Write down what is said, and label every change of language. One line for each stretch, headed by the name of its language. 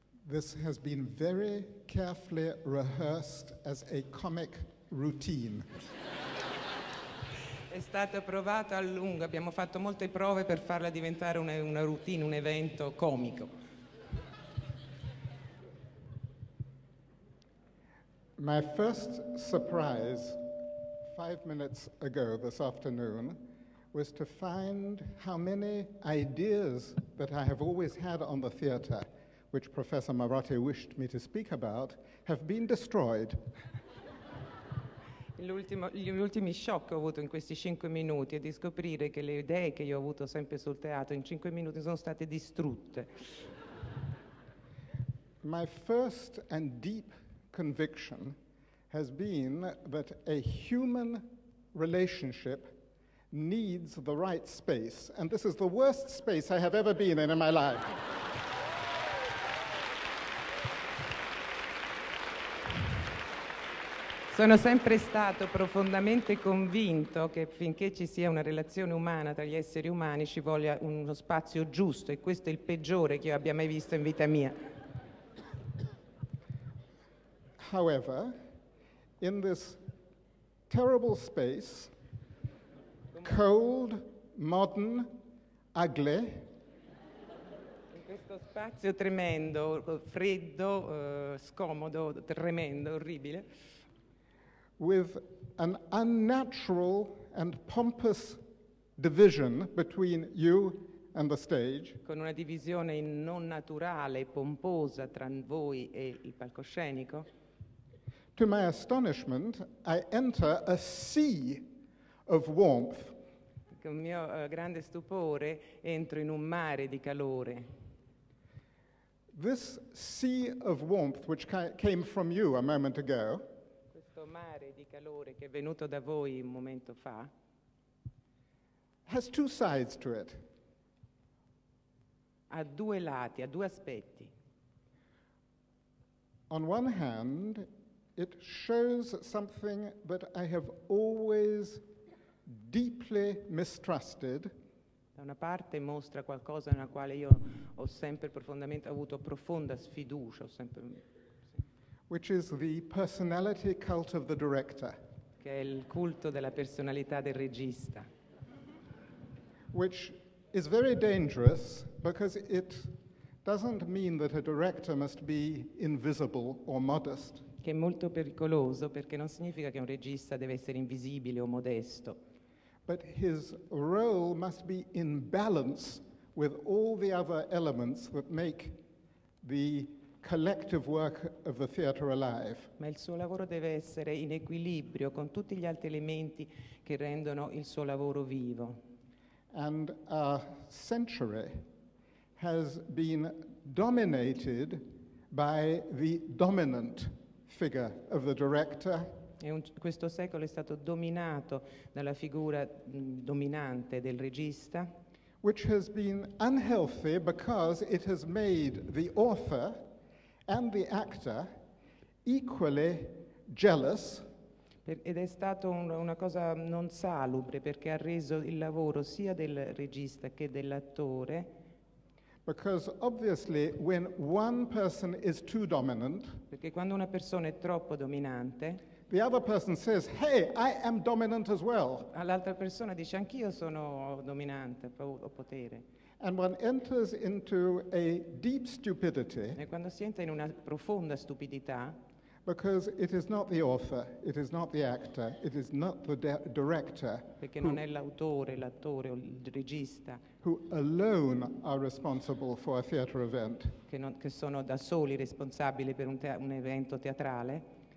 English: This has been very carefully rehearsed as a comic routine.
Italian: È stata provata a lungo, abbiamo fatto molte prove per farla diventare una routine, un evento comico.
English: My first surprise 5 minutes ago this afternoon was to find how many ideas that I have always had on the theater, which Professor Marotti wished me to speak about, have been destroyed.
Italian: Gli ultimi shock che ho avuto in questi 5 minuti è di scoprire che le idee che io ho avuto sempre sul teatro in 5 minuti sono state distrutte.
English: My first and deep conviction has been that a human relationship needs the right space, and this is the worst space I have ever been in my life.
Italian: Sono sempre stato profondamente convinto che finché ci sia una relazione umana tra gli esseri umani ci voglia uno spazio giusto, e questo è il peggiore che io abbia mai visto in vita mia.
English: However, in this terrible space, cold, modern, ugly,
Italian: in questo spazio tremendo, freddo, scomodo, tremendo, orribile,
English: with an unnatural and pompous division between you and the stage,
Italian: con una divisione non naturale e pomposa tra voi e il palcoscenico,
English: to my astonishment I enter a sea of warmth.
Italian: Con mio grande stupore entro in un mare di calore.
English: This sea of warmth which came from you a moment ago,
Italian: mare di calore che è venuto da voi un momento fa
English: has two sides to it.
Italian: Ha due lati, ha due aspetti.
English: On one hand, it shows something that I have always deeply mistrusted.
Italian: Da una parte mostra qualcosa nella quale io ho sempre profondamente avuto profonda sfiducia,
English: Which is the personality cult of the director.
Italian: Che è il culto della personalità del regista.
English: Which is very dangerous because it doesn't mean that a director must be invisible or modest.
Italian: Che è molto pericoloso perché non significa che un regista deve essere invisibile o modesto.
English: But his role must be in balance with all the other elements that make the collective work of the theater alive.
Italian: Ma il suo lavoro deve essere in equilibrio con tutti gli altri elementi che rendono il suo lavoro vivo.
English: And a century has been dominated by the dominant figure of the director.
Italian: E questo secolo è stato dominato dalla figura dominante del regista,
English: which has been unhealthy because it has made the author and the actor equally jealous.
Italian: Ed è stato una cosa non salubre perché ha reso il lavoro sia del regista che dell'attore.
English: Because obviously when one person is too dominant,
Italian: perché quando una persona è troppo dominante,
English: the other person says, "Hey, I am dominant as well."
Italian: All'altra persona dice anch'io sono dominante, ho potere.
English: And one enters into a deep stupidity.
Italian: E quando si entra in una profonda stupidità.
English: Because it is not the author, it is not the actor, it is not the director.
Italian: Perché non è l'autore, l'attore o il regista.
English: Who alone are responsible for a theater event.
Italian: Che sono da soli responsabili per un evento teatrale.